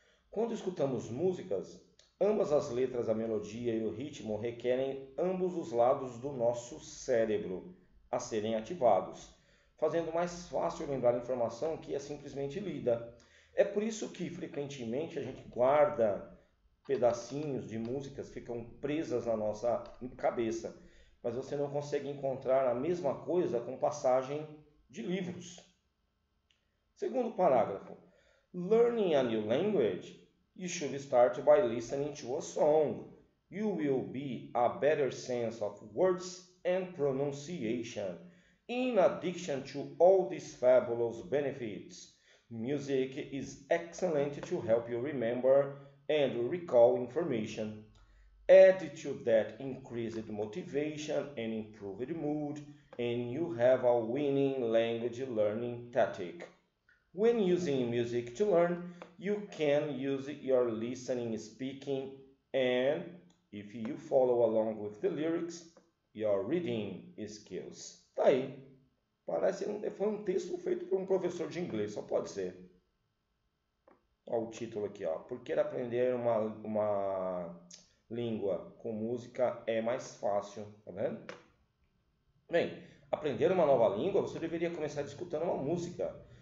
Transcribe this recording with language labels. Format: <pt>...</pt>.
<pt>Quando escutamos músicas, ambas as letras, a melodia e o ritmo requerem ambos os lados do nosso cérebro a serem ativados, fazendo mais fácil lembrar informação que é simplesmente lida. É por isso que frequentemente a gente guarda pedacinhos de músicas, ficam presas na nossa cabeça, mas você não consegue encontrar a mesma coisa com passagem de livros. Segundo parágrafo.</pt> <en>Learning a new language, you should start by listening to a song. You will be a better sense of words and pronunciation. In addition to all these fabulous benefits, music is excellent to help you remember and recall information. Add to that increased motivation and improved mood, and you have a winning language learning tactic. When using music to learn, you can use your listening, speaking, and If you follow along with the lyrics, your reading skills.</en> <pt>Tá aí. Parece um, foi um texto feito por um professor de inglês, só pode ser. Olha o título aqui, ó. Por que aprender uma língua com música é mais fácil, tá vendo? Bem, aprender uma nova língua, você deveria começar escutando uma música.</pt>